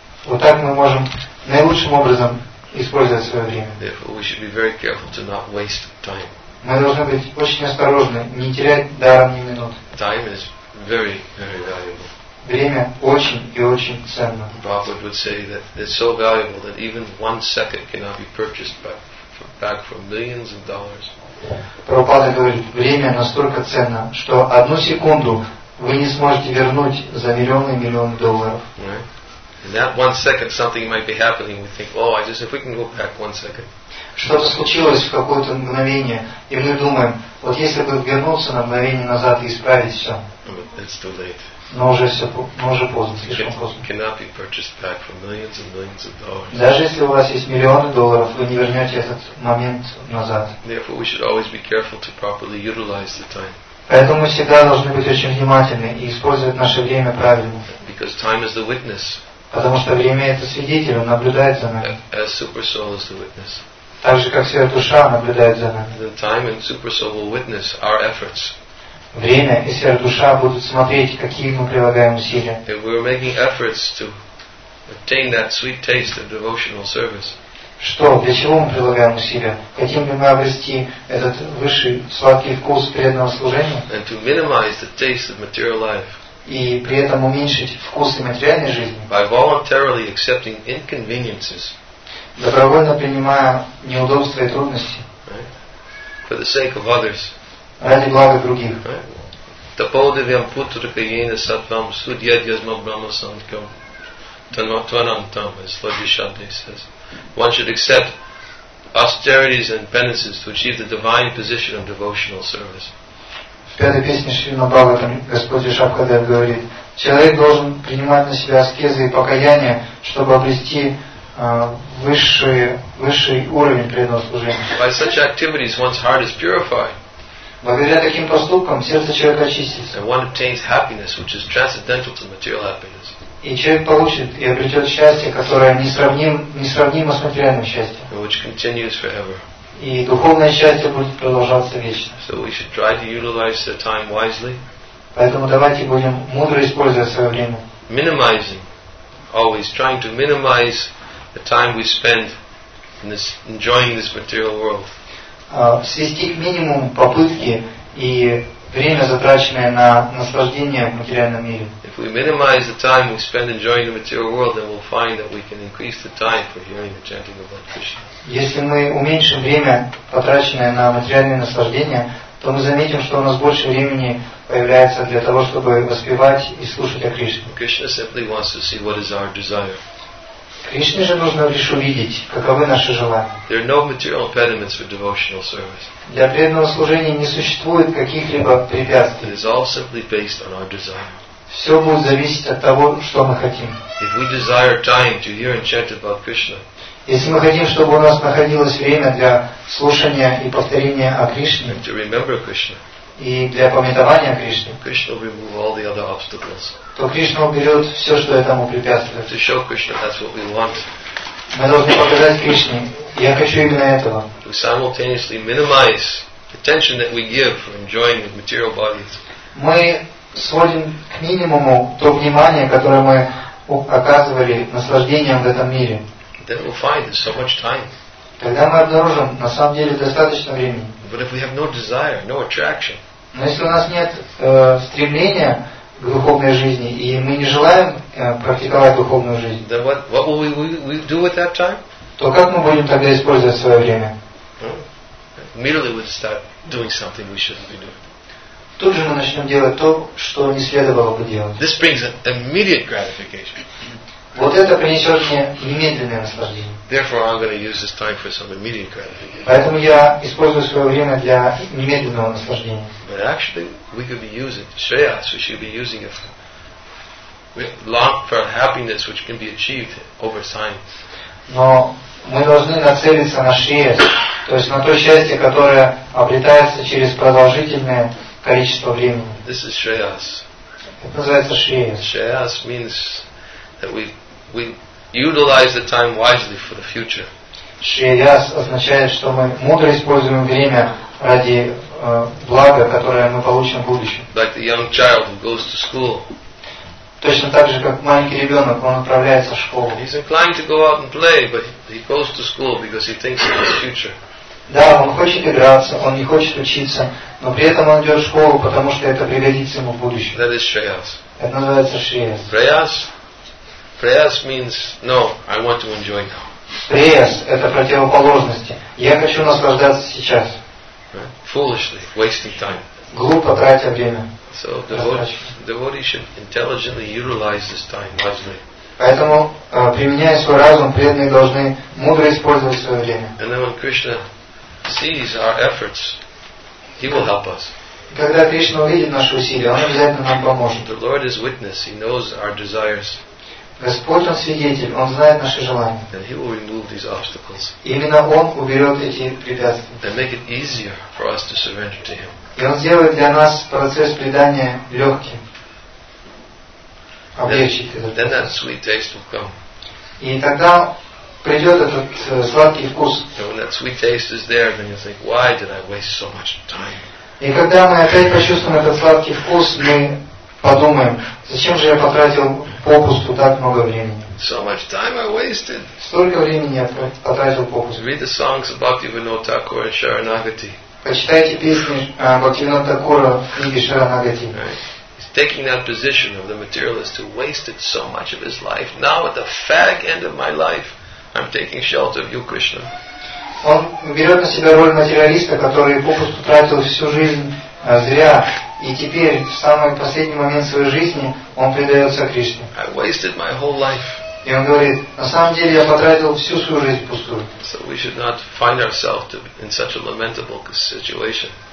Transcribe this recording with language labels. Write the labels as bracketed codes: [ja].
[ru] Вот так мы можем наилучшим образом использовать свое время. [en] Therefore, we should be very careful to not waste time. [ru] Мы должны быть очень осторожны, не терять даром ни минут. [en] Time is very, very valuable. [ru] Время очень и очень ценно. [en] Prabhupada would say that it's so valuable that even 1 second cannot be purchased back for millions of dollars. [ru] Прабхупада говорит, время настолько ценно, что 1 секунду вы не сможете вернуть за миллионы долларов. [en] In that 1 second, something might be happening. We think, oh, I just if we can go back 1 second. [ru] Что-то случилось в какое-то мгновение, и мы думаем, вот если бы вернуться на мгновение назад и исправить все. [en] But it's too late. [ru] Но уже поздно, слишком поздно. [en] It cannot be purchased back for millions and millions of dollars. [ru] Даже если у вас есть миллионы долларов, вы не вернете этот момент назад. [en] Therefore, we should always be careful to properly utilize the time. [ru] Поэтому мы всегда должны быть очень внимательны и использовать наше время правильно. [en] Because time is the witness. [ru] Потому что время — это свидетель, он наблюдает за нами. [en] As super soul is the witness. [ru] Так же, как вся душа наблюдает за нами. [en] The time and super soul will witness our efforts. [ru] Время и сфера душа будут смотреть, какие мы прилагаем усилия. [en] If we're making efforts to obtain that sweet taste of devotional service. [ru] Что, для чего мы прилагаем усилия? Хотим ли мы обрести этот высший сладкий вкус преданного служения? [en] And to minimize the taste of material life. [ru] И при этом уменьшить вкусы материальной жизни. [en] By voluntarily accepting inconveniences. [ru] Добровольно принимая неудобства и трудности. [en] For the sake of others. [ru] Ради блага других. [sa] Таподивьям путрика йена саттвам судьяд язма брахма санкхьам танатванантам, [en] as Lord Vishuddhi says. One should accept austerities and penances to achieve the divine position of devotional service. [ru] В пятой песне Шрима Бхагаватам Господь Вишакхадев говорит, человек должен принимать на себя аскезы и покаяния, чтобы обрести высший уровень преданного служения. [en] By such activities one's heart is purified. [ru] Благодаря таким поступкам сердце человека очистится. [en] And one obtains happiness, which is transcendental to material happiness. [ru] И человек получит и обретет счастье, которое несравнимо с материальным счастьем. [en] And which continues forever. [ru] И духовное счастье будет продолжаться вечно. [en] So we should try to utilize the time wisely. [ru] Поэтому давайте будем мудро использовать свое время. [en] Minimizing, always trying to minimize the time we spend in this, enjoying this material world. [ru] Свести к минимуму попытки и время, затраченное на наслаждение в материальном мире. [en] If we minimize the time we spend enjoying the material world, then we'll find that we can increase the time for hearing and chanting of Lord Krishna. [ru] Если мы уменьшим время, потраченное на материальные наслаждения, то мы заметим, что у нас больше времени появляется для того, чтобы воспевать и слушать о Кришне. [en] Krishna simply wants to see what is our desire. [ru] Кришне же нужно лишь увидеть, каковы наши желания. [en] There are no material impediments for devotional service. [ru] Для преданного служения не существует каких-либо препятствий. [en] It is all simply based on our desire. [ru] Все будет зависеть от того, что мы хотим. [en] If we desire time to hear and chant about Krishna. [ru] Если мы хотим, чтобы у нас находилось время для слушания и повторения о Кришне. [en] And to remember Krishna. [ru] И для памятования Кришне. [en] Krishna will remove all the other obstacles. [ru] То Кришна уберет все, что этому препятствует. [en] To show Krishna, that's what we want. [ru] Мы должны показать Кришне, я хочу именно этого. [en] To simultaneously minimize the tension that we give for enjoying the material body. [ru] Мы сводим к минимуму то внимание, которое мы оказывали наслаждением в этом мире. [en] Then we'll find there's so much time. [ru] Тогда мы обнаружим, на самом деле, достаточно времени. [en] But if we have no desire, no attraction. [ru] Но если у нас нет стремления к духовной жизни, и мы не желаем практиковать духовную жизнь, [en] then what will we do with that time? [ru] То как мы будем тогда использовать свое время? [en] Immediately we'll start doing something we shouldn't be doing. [ru] Тут же мы начнем делать то, что не следовало бы делать. [en] This brings an immediate gratification. [ru] Вот это принесет мне немедленное наслаждение. [en] Therefore, I'm going to use this time for some immediate gratification. [ru] Поэтому я использую свое время для немедленного наслаждения. [en] But actually, we could be using Shreya, we should be using it long for happiness, which can be achieved over science. [ru] Но мы должны нацелиться на Шрея, то есть на то счастье, которое обретается через продолжительное количество времени. [en] This is Shreya. [ru] Это называется Шрея. [en] Shreya means that we utilize the time wisely for the future. [ru] Шрея означает, что мы мудро используем время ради блага, которое мы получим в будущем. [en] Like the young child who goes to school. [ru] Точно так же, как маленький ребенок, он отправляется в школу. [en] He's inclined to go out and play, but he goes to school because he thinks of his future. [ru] Да, он хочет играться, он не хочет учиться, но при этом он идет в школу, потому что это пригодится ему в будущем. [en] That is Shreyas. [ru] Это называется Shreyas. [en] Prayas. Prayas means no, I want to enjoy now. [ru] Prayas – это противоположности. Я хочу наслаждаться сейчас. [en] Foolishly, wasting time. [ru] Глупо тратя время. [en] So devotee should intelligently utilize this time wisely. [ru] Поэтому применяя свой разум, преданные должны мудро использовать свое время. [en] And then when Krishna sees our efforts, he will help us. [ru] Когда Кришна увидит наши усилия, он обязательно нам поможет. [en] The Lord is witness; he knows our desires. [ru] Господь он свидетель, он знает наши желания. [en] And he will remove these obstacles. [ru] Именно он уберет эти препятствия. [en] And make it easier for us to surrender to him. [ru] И он сделает для нас процесс предания легким, облегчит этот. [en] Then that sweet taste will come. [ru] И тогда придет этот сладкий вкус. [en] And when that sweet taste is there, then you think, why did I waste so much time? [ru] И когда мы опять почувствуем этот сладкий вкус, мы подумаем, зачем же я потратил попусту так много времени? [en] So much time I wasted. [ru] Столько времени я потратил попусту. [en] Read the songs about Bhaktivinoda Thakur and Sharanagati. [ru] Почитайте песни Бхактивинода Такура в книге Шаранагати. [en] He's taking that position of the materialist who wasted so much of his life. Now at the fag end of my life, I'm taking shelter of you, Krishna. [ru] Он берет на себя роль материалиста, который попросту тратил всю жизнь зря, и теперь в самый последний момент своей жизни он предается Кришне. [en] I wasted my whole life. [ru] И он говорит, на самом деле я потратил всю свою жизнь впустую. [en] So we should not find ourselves in such a lamentable situation.